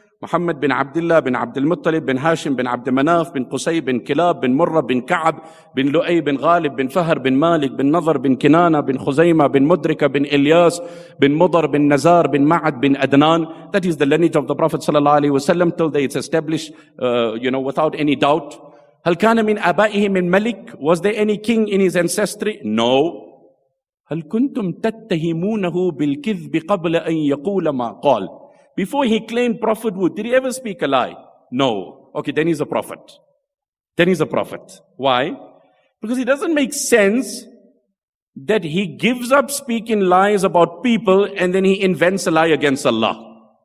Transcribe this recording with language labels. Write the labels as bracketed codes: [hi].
[en] Muhammad bin Abdullah bin Abdul Muttalib bin Hashim bin Abdul Manaf bin Qusay bin Kilab bin Murra bin Ka'ab bin Lu'ay bin Ghalib bin Fahr bin Malik bin Nadhar bin Kinana bin Khuzaymah bin Mudrika bin Ilyas bin Mudar bin Nazar bin Ma'ad bin Adnan. That is the lineage of the Prophet sallallahu alayhi wa sallam till day it's established, without any doubt. [ar] هل كان من أبائه من ملك? [en] Was there any king in his ancestry? No. [ar] هل كنتم تتهمونه بالكذب قبل أن يقول ما قال? [en] Before he claimed prophethood, did he ever speak a lie? No. Okay, then he's a prophet. Then he's a prophet. Why? Because it doesn't make sense that he gives up speaking lies about people and then he invents a lie against Allah.